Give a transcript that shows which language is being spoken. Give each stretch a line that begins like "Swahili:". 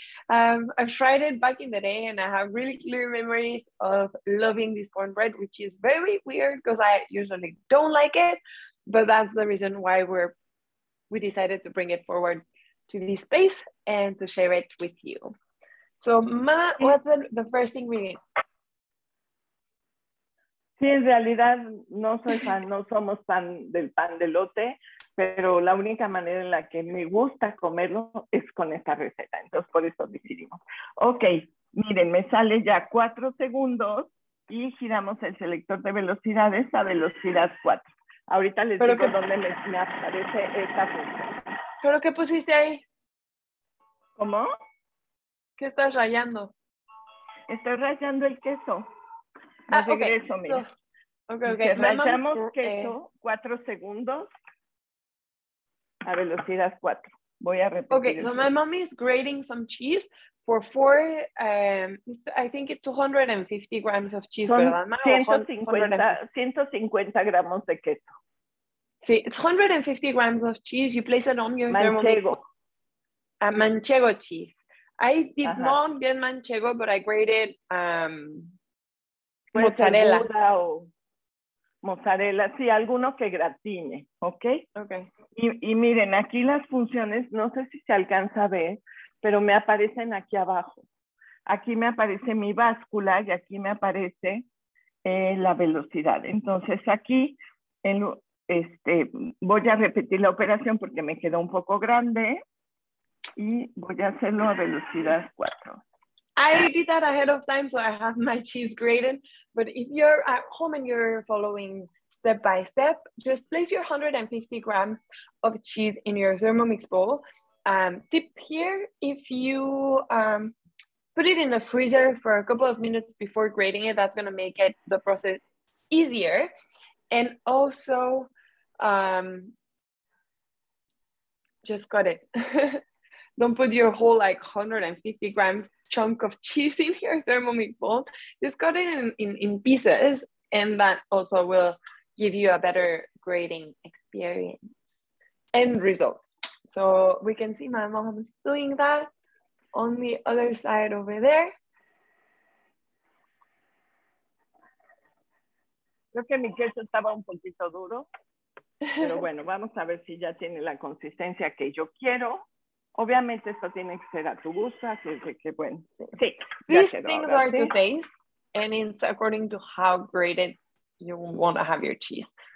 English: I've tried it back in the day and I have really clear memories of loving this cornbread, which is very weird because I usually don't like it, but that's the reason why we decided to bring it forward to this space and to share it with you. So, Mama, what's the first thing we need?
Spanish: Sí, en realidad no soy fan, no somos fan del pan de elote, pero la única manera en la que me gusta comerlo es con esta receta. Entonces, por eso decidimos. Ok, miren, me sale ya 4 segundos y giramos el selector de velocidades a velocidad 4. Ahorita les digo dónde me aparece esta función. ¿Pero qué pusiste ahí? ¿Cómo? ¿Qué estás rallando? Estoy rallando el queso. Regreso, okay, mira. So, okay, okay. Rallamos queso 4 segundos a velocidad 4. Voy a repetir.
English: Okay, so my mom is grating some cheese for 4, I think it's 250 grams of cheese,
Spanish: ¿verdad, mamá? 150 gramos de queso.
English: Sí, it's 150 grams of cheese. You place it on your
Spanish: manchego.
English: Thermomix. Manchego cheese. I did not get manchego, but I grated mozzarella.
Spanish: O mozzarella, sí, alguno que gratine, ¿ok? Ok. Y miren, aquí las funciones, no sé si se alcanza a ver, pero me aparecen aquí abajo. Aquí me aparece mi báscula y aquí me aparece la velocidad. Entonces aquí voy a repetir la operación porque me quedó un poco grande y voy a hacerlo a velocidad 4.
English: I did that ahead of time, so I have my cheese grated. But if you're at home and you're following step by step, just place your 150 grams of cheese in your Thermomix bowl. Tip here, if you put it in the freezer for a couple of minutes before grating it, that's going to make it the process easier. And also, just cut it. Don't put your whole like 150 grams chunk of cheese in your Thermomix bowl. Just cut it in pieces, and that also will give you a better grating experience and results. So we can see my mom is doing that on the other side over there.
Spanish: Creo que mi queso estaba un poquito duro, pero bueno, vamos a ver si ya tiene la consistencia que yo quiero. Obviamente esto tiene que ser a tu gusto, así que bueno.
English: Sí, these things are to taste, and it's according to how grated you want to have your cheese.